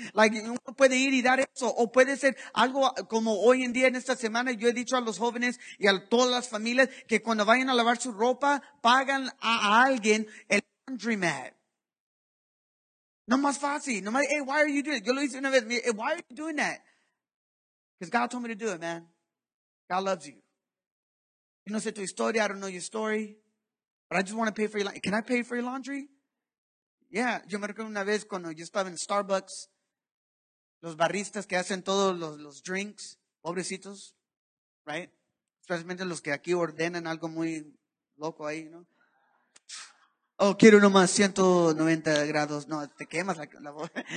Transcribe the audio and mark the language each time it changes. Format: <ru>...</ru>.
<es>Like, uno puede ir y dar eso. O puede ser algo como hoy en día en esta semana, yo he dicho a los jóvenes y a todas las familias que cuando vayan a lavar su ropa, pagan a alguien el laundromat. No más fácil, no más,</es> <en>hey, why are you doing it?</en> <es>Yo lo hice una vez,</es> <en>hey, why are you doing that? Because God told me to do it, man. God loves you.</en> <es>Yo no sé tu historia,</es> <en>I don't know your story, but I just want to pay for your laundry. Can I pay for your laundry?</en> <es>Yeah, yo me recuerdo una vez cuando yo estaba en Starbucks, los baristas que hacen todos los drinks, pobrecitos, right? Especialmente los que aquí ordenan algo muy loco ahí, ¿no? Oh, quiero uno más, 190 grados. No, te quemas la voz.</es>